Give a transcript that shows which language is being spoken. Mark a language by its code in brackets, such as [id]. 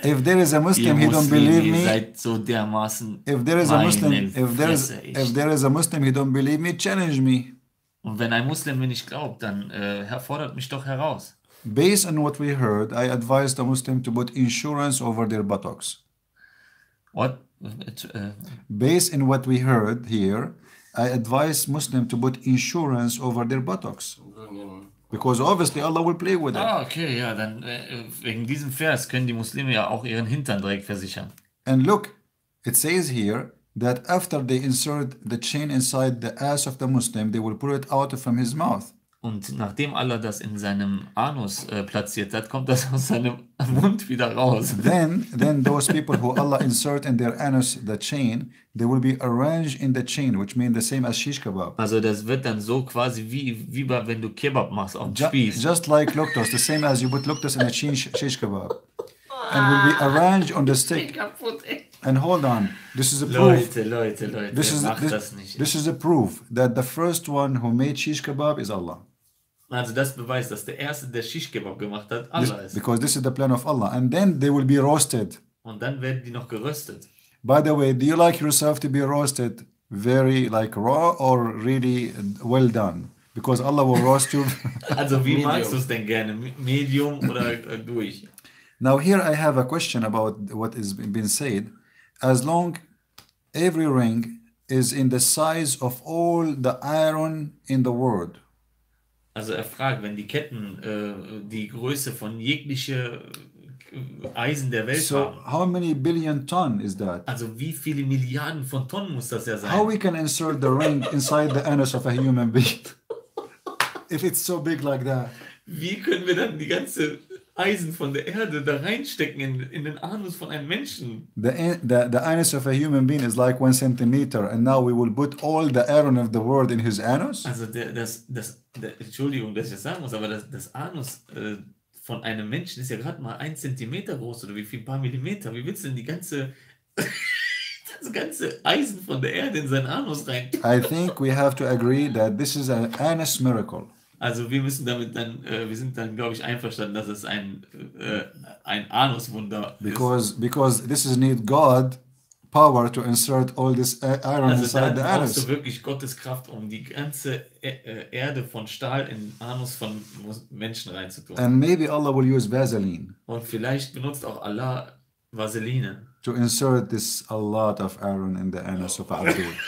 [en] If there is a Muslim, he don't believe me. [de] So dermaßen. [en] If there is a Muslim, if there is a Muslim, he don't believe me, challenge me. [de] Und wenn ein Muslim mir nicht glaubt, dann fordert mich doch heraus. [en] Based on what we heard, I advise the Muslim to put insurance over their buttocks. What? Based on what we heard here, I advise Muslim to put insurance over their buttocks. Because obviously Allah will play with it. [de] Ah, okay, ja, dann wegen diesem Vers können die Muslime ja auch ihren Hintern direkt versichern. [en] And look, it says here, that after they insert the chain inside the ass of the Muslim, they will pull it out from his mouth. [de] Und nachdem Allah das in seinem Anus platziert hat, kommt das aus seinem Mund wieder raus. [en] Then those people who Allah insert in their anus the chain, they will be arranged in the chain, which means the same as shish kebab. [de] Also das wird dann so quasi wie bei, wenn du Kebab machst auf dem Spieß. [en] Just like luktos, the same as you put luktos in a chain shish kebab. And will be arranged on the stick. And hold on, this is a proof. [de] Leute, [en] this is a proof that the first one who made shish kebab is Allah. [de] Also das beweist, dass der erste, der shish kebab gemacht hat, Allah [en] this, [de] ist. [en] Because this is the plan of Allah. And then they will be roasted. [de] Und dann werden die noch geröstet. [en] By the way, do you like yourself to be roasted very like raw or really well done? Because Allah will roast you. [de] Also wie medium. Magst du es denn gerne? Medium oder durch? [en] Now here I have a question about what has been said. As long every ring is in the size of all the iron in the world. [de] Also er fragt, wenn die Ketten die Größe von jegliche Eisen der Welt so haben. [en] So how many billion ton is that? [de] Also wie viele Milliarden von Tonnen muss das ja sein? [en] How we can insert the ring inside the anus of a human being? If it's so big like that. [de] Wie können wir dann die ganze Eisen von der Erde da reinstecken in den Anus von einem Menschen. [en] The anus of a human being is like 1 centimeter and now we will put all the iron of the world in his anus? [de] Also das Entschuldigung, dass ich das sagen muss, aber das Anus von einem Menschen ist ja gerade mal 1 Zentimeter groß oder wie viel, ein paar Millimeter. Wie willst du denn die ganze das ganze Eisen von der Erde in seinen Anus rein? [en] I think we have to agree that this is an anus miracle. [de] Also wir müssen damit dann, wir sind dann, glaube ich, einverstanden, dass es ein Anuswunder ist. [en] Because this is need God power to insert all this iron also inside the anus. Also [de] brauchst du wirklich Gottes Kraft, um die ganze Erde von Stahl in Anus von Menschen reinzutun. [en] And maybe Allah will use Vaseline. [de] Und vielleicht benutzt auch Allah Vaseline. [en] To insert this a lot of iron in the anus of Abdul.